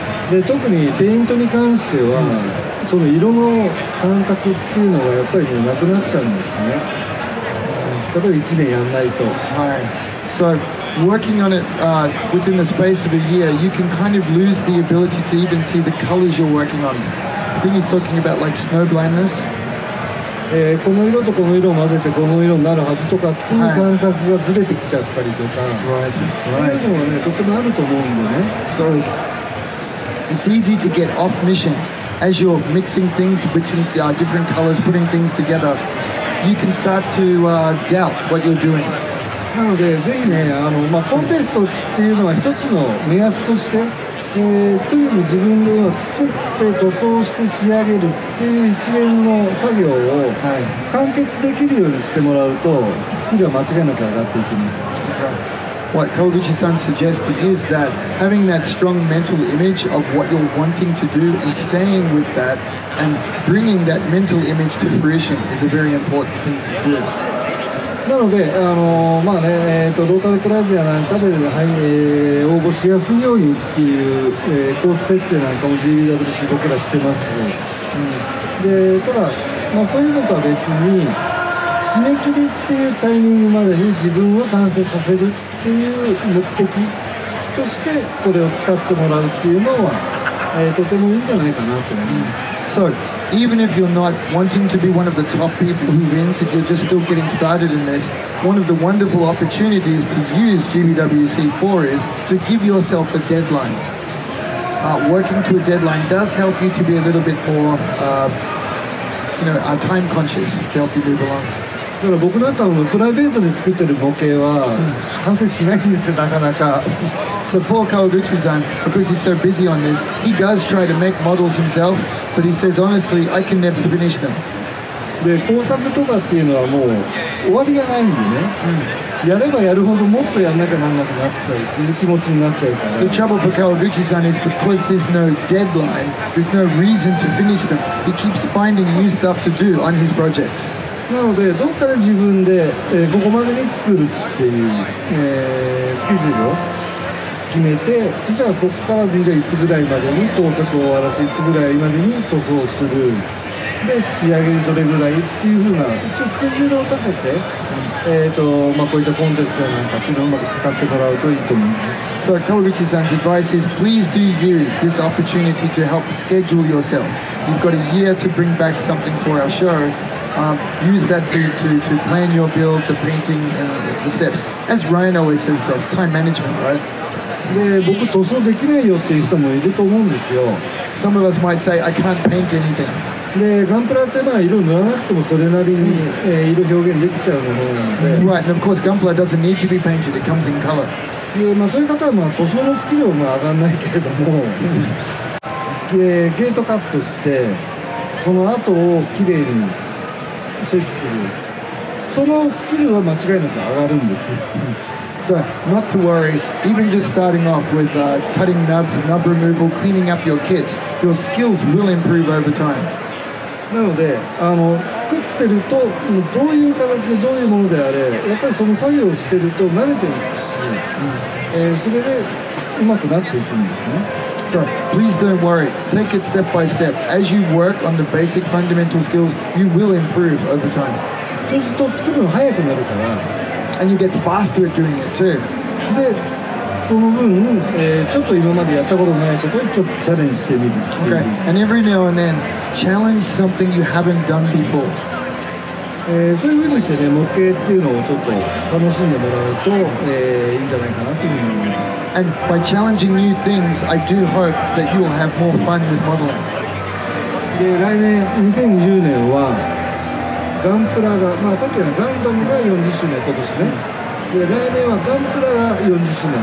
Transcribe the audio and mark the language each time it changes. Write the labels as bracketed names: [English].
[Japanese] で、特にペイントに関しては、うん、その色の感覚っていうのがやっぱり、ね、なくなっちゃうんですね。例えば1年やんないと。はい。 [English] So,working on it within the space of a year, you can kind of lose the ability to even see the colors you're working on. I think he's talking about like snow blindness. [Japanese] この色とこの色を混ぜてこの色になるはずとかっていう感覚がずれてきちゃったりとか、 [English] right. [Japanese] そういうのはね、とてもあると思うんでね。 [English] So, it's easy to get off mission as you're mixing things, mixing different colors, putting things together. You can start to doubt what you're doing. [Japanese] なので、ぜひね、まあ、コンテストっていうのは一つの目安として、というのを自分で作って塗装して仕上げるっていう一連の作業を完結できるようにしてもらうと、スキルは間違いなく上がっていきます。 [English] What Kawaguchi-san suggested is that having that strong mental image of what you're wanting to do and staying with that and bringing that mental image to fruition is a very important thing to do. [Japanese] なので、まあね、ローカルプラザなんかで、はい、応募しやすいようにっていう、コース設定なんかも GBWC 僕らしてます、うん、でただ、まあ、そういうのとは別に締め切りっていうタイミングまでに自分を完成させるっていう目的としてこれを使ってもらうっていうのは、とてもいいんじゃないかなと思います、うん、 [English] そうEven if you're not wanting to be one of the top people who wins, if you're just still getting started in this, one of the wonderful opportunities to use GBWC for is to give yourself a deadline. Working to a deadline does help you to be a little bit more, time conscious to help you move along. [Japanese] だから僕なんかもプライベートで作ってる模型は完成しないんですよ、なかなか。 [English] So poor Kawaguchi-san, because he's so busy on this, he does try to make models himself, but he says honestly, I can never finish them. [Japanese] で、工作とかっていうのはもう終わりがないんでね。やればやるほどもっとやんなきゃなんなくなっちゃうっていう気持ちになっちゃうから。 [English] The trouble for Kawaguchi-san is because there's no deadline, there's no reason to finish them. He keeps finding new stuff to do on his project. [Japanese] なので、どっかで自分で、ここまでに作るっていう、スケジュールを決めて、じゃあそこからじゃあいつぐらいまでに盗作を終わらせ、いつぐらいまでに塗装する、で、仕上げにどれぐらいっていうふうな、一応スケジュールを立てて、まあ、こういったコンテストなんかっていうのをうまく使ってもらうといいと思います。 [English] So, Kawaguchi-san's advice is please do use this opportunity to help schedule yourself. You've got a year to bring back something for our show. Use that to plan your build, the painting, and the steps. As Ryan always says to us, time management, right? [Japanese] で、僕塗装できないよっていう人もいると思うんですよ。 [English] Some of us might say, I can't paint anything. [Japanese] で、ガンプラってまあ色塗らなくてもそれなりに、色表現できちゃうものなので。 [English] Right, and of course, ガンプラ doesn't need to be painted, it comes in color. [Japanese] で、まあそういう方はまあ塗装のスキルはまあ上がらないけれども、で、ゲートカットして、その後をきれいに、そのスキルは間違いなく上がるんですよ。 [English] So, not to worry, even just starting off with cutting nubs, nub removal, cleaning up your kits, your skills will improve over time. [Japanese] なので、作ってると、どういう形でどういうものであれ、やっぱりその作業をしてると慣れていくし、それでうまくなっていくんですね。 [English] So, please don't worry. Take it step by step. As you work on the basic fundamental skills, you will improve over time. [Japanese] そうすると作るの早くなるから。 [English] And you get faster at doing it too. [Japanese] で、その分、ちょっと今までやったことないことにちょっとチャレンジしてみる。 [English] Okay. And every now and then, challenge something you haven't done before. [Japanese] そういうふうにしてね、模型っていうのをちょっと楽しんでもらうと、いいんじゃないかなというふうに思います。 [English] And by challenging new things, I do hope that you will have more fun with modeling. [Japanese] で、来年2020年はガンプラが、まあさっきのガンダムが40周年今年ね。で、来年はガンプラが40周年。